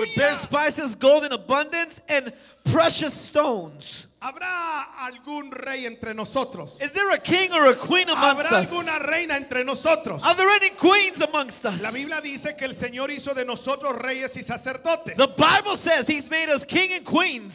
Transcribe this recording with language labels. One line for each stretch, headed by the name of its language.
English: With bare spices, gold in abundance, and precious stones.
Spanish: ¿Habrá algún rey entre nosotros?
English: Is there a king or a queen amongst us?
Spanish: ¿Habrá alguna reina entre nosotros?
English: Are there any queens amongst us?
Spanish: La Biblia dice que el Señor hizo de nosotros reyes y sacerdotes.
English: The Bible says he's made us king and queens.